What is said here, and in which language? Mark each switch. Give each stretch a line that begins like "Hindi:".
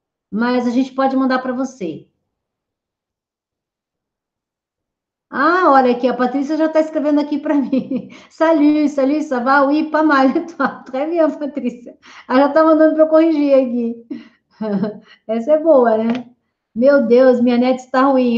Portuguese: Mas a gente pode mandar para você. Ah, olha aqui, a Patrícia já está escrevendo aqui para mim.
French: Salut, salut, ça va, oui, pas mal. Très bien, Patrícia.
Portuguese: Ela já está mandando para eu corrigir aqui. Essa é boa, né? Meu Deus, minha net está ruim.